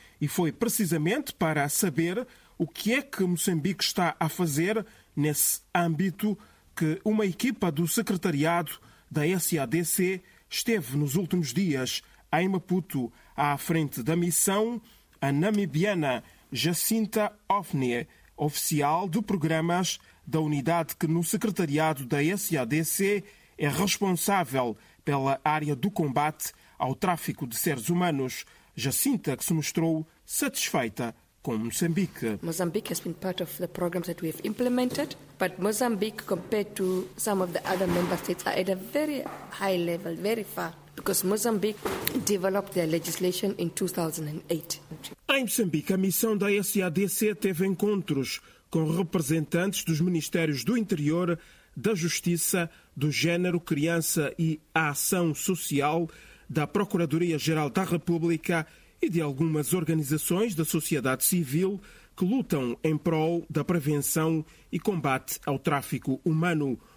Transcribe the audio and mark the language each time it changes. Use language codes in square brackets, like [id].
[pt] E foi precisamente para saber o que é que Moçambique está a fazer nesse âmbito que uma equipa do secretariado da SADC esteve nos últimos dias em Maputo à frente da missão, a namibiana Jacinta Ofne, oficial de programas da unidade que no secretariado da SADC é responsável pela área do combate ao tráfico de seres humanos, Jacinta, que se mostrou satisfeita com Moçambique. [en] Moçambique has been part of the programs that we have implemented, but Moçambique compared to some of the other member states are at a very high level, very far, because Moçambique developed their legislation in 2008. [pt] Em Moçambique, a missão da SADC teve encontros com representantes dos Ministérios do Interior, da Justiça, do Género, Criança e a Ação Social, da Procuradoria-Geral da República e de algumas organizações da sociedade civil que lutam em prol da prevenção e combate ao tráfico humano.